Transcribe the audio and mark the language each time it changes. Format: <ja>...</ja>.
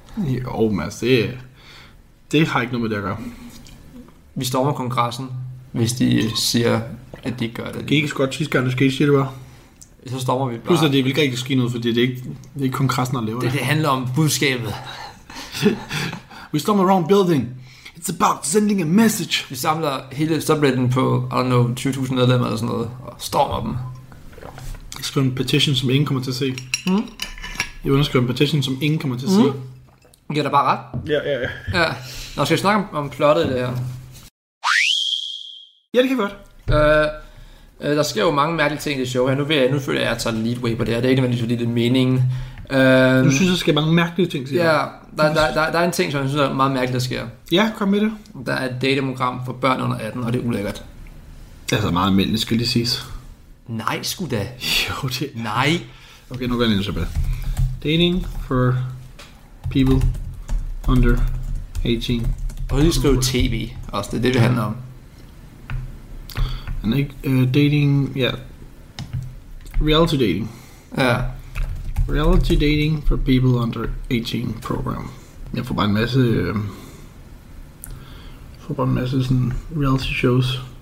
<da>Jo, Mads, det har ikke noget med det at gøre. Vi stormer kongressen, hvis de siger, at de gør det. Det gik ikke så godt, tids gør det, skal I sige det bare. Så stormer vi bare. Plus at det vil ikke ske noget, fordi det er ikke kongressen, der laver det. Det handler om budskabet.</da> <en>We storm a wrong building. It's about sending a message.</en> <da>Vi samler hele subredden på,</da> <en>I don't know,</en> <da>20.000 medlemmer eller sådan noget, og stormer dem. Jeg skriver en petition, som ingen kommer til at se. Mm. Jeg underskriver en petition, som ingen kommer til at se. Mm. Giver dig bare ret. Ja. Nå, skal vi snakke om plottet i det her? Ja, det kan godt. Der sker jo mange mærkelige ting i det show her. Nu føler jeg, at jeg tager en leadway på det her. Det er ikke nødvendigvis, fordi det er meningen. Du synes, der sker mange mærkelige ting, siger jeg. Ja, der er en ting, som jeg synes er meget mærkeligt, der sker. Ja, kom med det. Der er et datamogram for børn under 18, og det er ulækkert. Altså meget almindeligt, skal det siges. Nej, sgu da. Jo, det er. Nej. Okay, nu går jeg ind, så bedre.</da> <en>Dating for people under 18.</en> <da>Og lige skrive TV også, det er det, det handler om. Han er ikke dating, ja.</da> <en>Yeah. Reality dating.</en> <da>Ja.</da> <en>Reality dating for people under 18 program.</en> <da>Jeg får bare en masse, sådan reality shows.</da>